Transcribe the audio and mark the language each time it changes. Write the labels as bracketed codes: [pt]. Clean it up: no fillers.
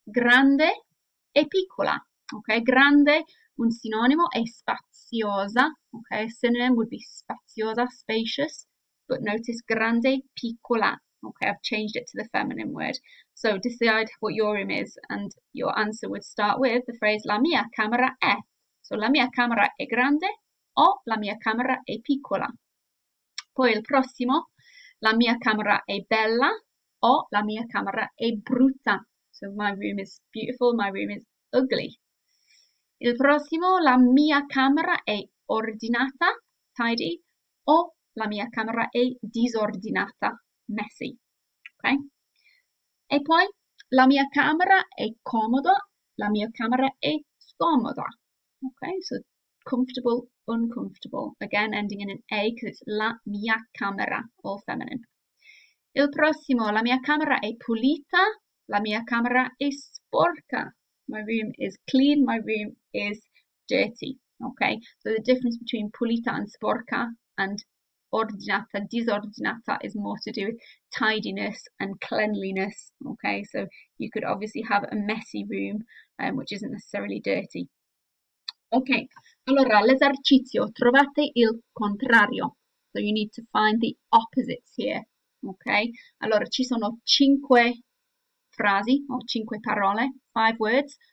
[it] Grande e piccola. Okay, grande, un sinonimo, è spaziosa. [en] Okay, a synonym would be spaziosa, spacious. But notice grande, piccola. Okay, I've changed it to the feminine word. So decide what your room is, and your answer would start with the phrase [it] la mia camera è. So la mia camera è grande o la mia camera è piccola. Poi il prossimo, la mia camera è bella o la mia camera è brutta. [en] So my room is beautiful, my room is ugly. [it] Il prossimo, la mia camera è ordinata, tidy, o la mia camera è disordinata. Messy. Ok? E poi la mia camera è comoda, la mia camera è scomoda. [en] Ok? So comfortable, uncomfortable. Again, ending in an A because it's [it] la mia camera, [en] all feminine. [it] Il prossimo, la mia camera è pulita, la mia camera è sporca. [en] My room is clean, my room is dirty. Ok? So the difference between pulita and sporca and ordinata, disordinata is more to do with tidiness and cleanliness. Okay, so you could obviously have a messy room, which isn't necessarily dirty. [it] Okay, allora l'esercizio, trovate il contrario. [en] So you need to find the opposites here. [it] Okay, allora ci sono cinque frasi o cinque parole, [en] five words.